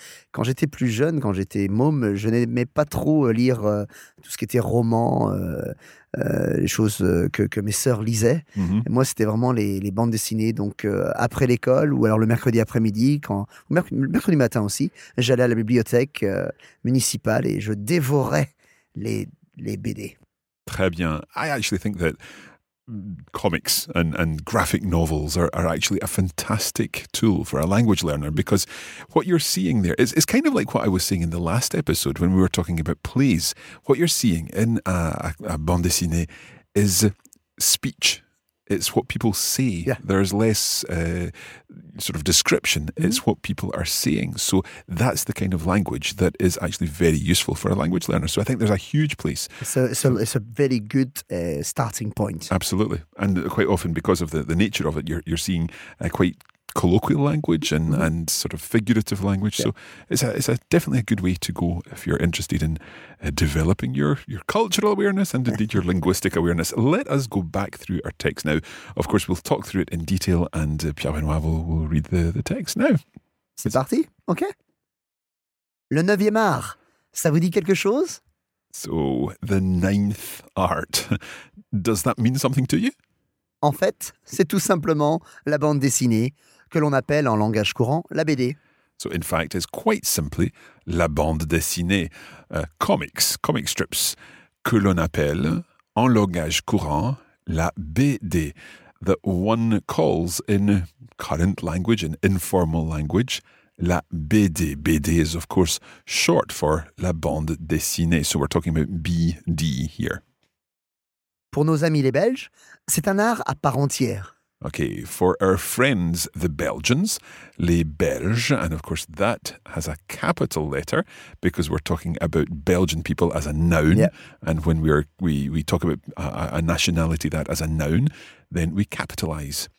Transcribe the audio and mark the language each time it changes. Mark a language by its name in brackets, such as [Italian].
[French] Quand j'étais plus jeune, quand j'étais môme, je n'aimais pas trop lire tout ce qui était roman, les choses que mes sœurs lisaient. Mm-hmm. Moi, c'était vraiment les bandes dessinées. Donc après l'école ou alors le mercredi après-midi, mercredi matin aussi, j'allais à la bibliothèque municipale et je dévorais les BD. Très bien. [English] I actually think that comics and graphic novels are actually a fantastic tool for a language learner, because what you're seeing there is kind of like what I was saying in the last episode when we were talking about plays. What you're seeing in a bande dessinée is speech. It's what people say. Yeah. There's less sort of description. Mm-hmm. It's what people are saying. So that's the kind of language that is actually very useful for a language learner. So I think there's a huge place. So it's a very good starting point. Absolutely. And quite often, because of the nature of it, you're seeing a quite colloquial language and, mm-hmm. and sort of figurative language. Yeah. So it's definitely a good way to go if you're interested in developing your cultural awareness and indeed your linguistic awareness. Let us go back through our text now. Of course, we'll talk through it in detail and Pierre-Benoît will read the text now. [French] C'est parti, ok. Le 9e art, ça vous dit quelque chose? [English] So, the 9th art. Does that mean something to you? [French] En fait, c'est tout simplement la bande dessinée que l'on appelle en langage courant la BD. [English] So in fact, it's quite simply la bande dessinée, comic strips, [French] que l'on appelle en langage courant la BD, [English] that one calls in current language, in informal language, la BD. BD is of course short for la bande dessinée, so we're talking about BD here. [French] Pour nos amis les Belges, c'est un art à part entière. [English] Okay, for our friends, the Belgians, [French] les Belges, [English] and of course that has a capital letter because we're talking about Belgian people as a noun. Yeah. And when we talk about a nationality that as a noun, then we capitalize.